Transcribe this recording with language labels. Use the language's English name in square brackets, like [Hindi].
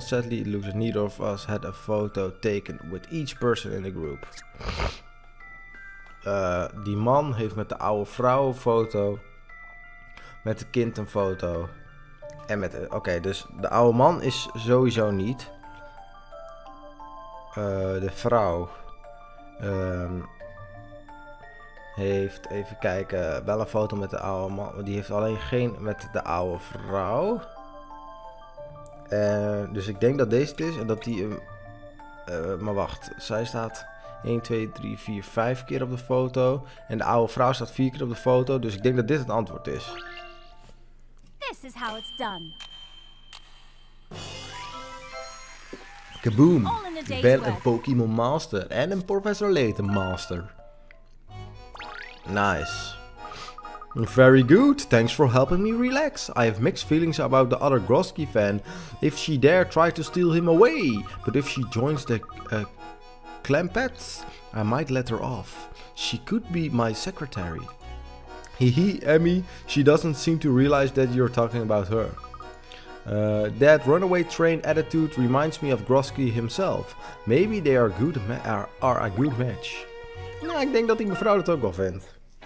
[English] Sadly, it looks like neither of us had a photo taken with each person in the group. [Dutch] Die man heeft met de oude vrouw een foto, met de kind een foto en met okay, dus de oude man is sowieso niet de vrouw heeft, even kijken, wel een foto met de oude man, maar die heeft alleen geen met de oude vrouw, dus ik denk dat deze het is en dat die maar wacht, zij staat 1, 2, 3, 4, 5 keer op de foto. En de oude vrouw staat 4 keer op de foto. Dus ik denk dat dit het antwoord is. [English] This is how it's done. Kaboom. All in the [Dutch] Ik ben een Pokémon Master en een Professor Layton Master. [English] Nice. Very good, thanks for helping me relax. I have mixed feelings about the other Grosky fan. If she dare try to steal him away. But if she joins the Clampets, I might let her off. She could be my secretary. Hehe, Emmy, she doesn't seem to realize that you're talking about her. That runaway train attitude reminds me of Grosky himself. Maybe they are good are a good match. [Dutch] Nou, ik denk dat die mevrouw dat ook wel vindt.